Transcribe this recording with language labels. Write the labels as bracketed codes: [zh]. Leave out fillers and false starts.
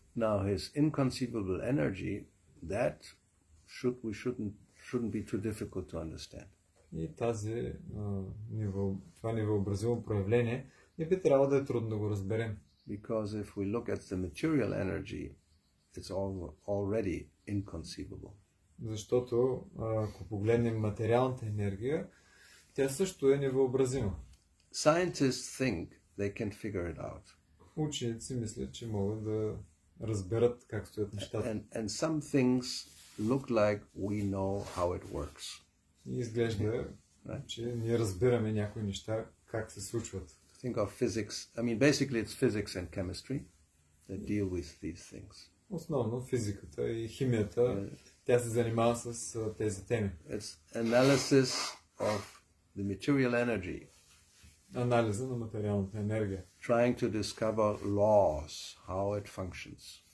[en] Now his inconceivable energy, that should we shouldn't be too difficult to understand. [bg] И тази това невъобразимо проявление не би трябвало да е трудно да го разберем. [en] Because if we look at the material energy it's already inconceivable. [bg] Защото ако погледнем материалната енергия, тя също е невъобразима. [en] Scientists think they can figure it out. [bg] Ученици мислят, че могат да разберат как стоят нещата. [en] And some things look like we know how it works. [bg] И изглежда, че ние разбираме някои неща как се случват. [en] Think of physics. I mean, basically it's physics and chemistry that deal with these things. [bg] Основно физиката и химията, тя се занимава с тези теми. [en] It's analysis of the material energy. [bg] Анализа на материалната енергия. [en] Trying to discover laws, how it functions.